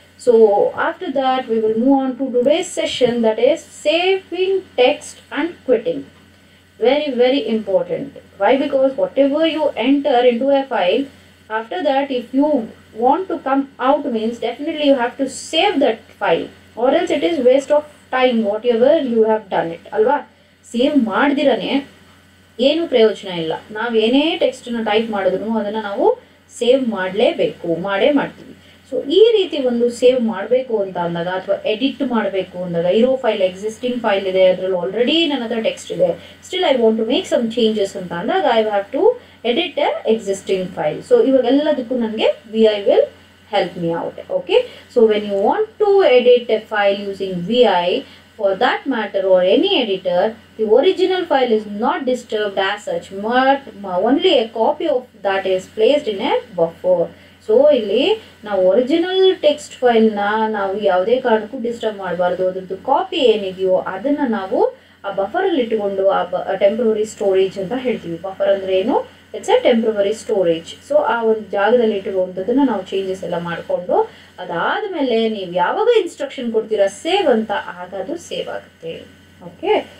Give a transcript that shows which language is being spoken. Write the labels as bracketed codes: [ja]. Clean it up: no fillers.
[en] So after that we will move on to today's session, that is saving text and quitting. Very important. Why? Because whatever you enter into a file, after that if you want to come out, means definitely you have to save that file, or else it is waste of time whatever you have done it. [kn] Alva, save ಮಾಡ್ದಿರನೇ ಏನು ಪ್ರಯೋಜನ ಇಲ್ಲ. ನಾವೇನೇ ಟೆಕ್ಸ್ಟನ್ನು type ಮಾಡಿದ್ರು ಅದನ್ನು ನಾವು save ಮಾಡಲೇಬೇಕು, ಮಾಡೇ ಮಾಡ್ತೀವಿ. So ಈ ರೀತಿ ಒಂದು ಸೇವ್ ಮಾಡಬೇಕು ಅಂತ ಅಂದಾಗ, ಅಥವಾ ಎಡಿಟ್ ಮಾಡಬೇಕು ಅಂದಾಗ, ಇರೋ ಫೈಲ್, ಎಕ್ಸಿಸ್ಟಿಂಗ್ ಫೈಲ್ ಇದೆ, ಅದರಲ್ಲಿ ಆಲ್ರೆಡಿ ನನ್ನ ಹತ್ರ ಟೆಕ್ಸ್ಟ್ ಇದೆ, [en] still I want to make some changes [kn] ಅಂತ ಅಂದಾಗ, [en] I have to edit a existing file. So [kn] ಇವಾಗೆಲ್ಲದಕ್ಕೂ ನನಗೆ [en] V I will help me out. Okay. So when you want to edit a file using V I, for that matter or any editor, the original file is not disturbed as such, but only a copy of that is placed in a buffer. [kn] So ಇಲ್ಲಿ ನಾವು original text ಫೈಲ್ನ ನಾವು ಯಾವುದೇ ಕಾರಣಕ್ಕೂ disturb ಮಾಡಬಾರ್ದು. ಅದರದ್ದು copy ಏನಿದೆಯೋ ಅದನ್ನು ನಾವು ಆ ಬಫರಲ್ಲಿ ಇಟ್ಟುಕೊಂಡು ಆ ಟೆಂಪ್ರವರಿ ಸ್ಟೋರೇಜ್ ಅಂತ ಹೇಳ್ತೀವಿ. ಬಫರ್ ಅಂದರೆ ಏನು? [en] It's a temporary storage. [kn] So ಆ ಒಂದು ಜಾಗದಲ್ಲಿ ಇಟ್ಟಿರುವಂಥದ್ದನ್ನು ನಾವು ಚೇಂಜಸ್ ಎಲ್ಲ ಮಾಡಿಕೊಂಡು ಅದಾದಮೇಲೆ ನೀವು ಯಾವಾಗ ಇನ್ಸ್ಟ್ರಕ್ಷನ್ ಕೊಡ್ತೀರಾ ಸೇವ್ ಅಂತ, ಆಗ ಅದು ಸೇವ್ ಆಗುತ್ತೆ. ಓಕೆ.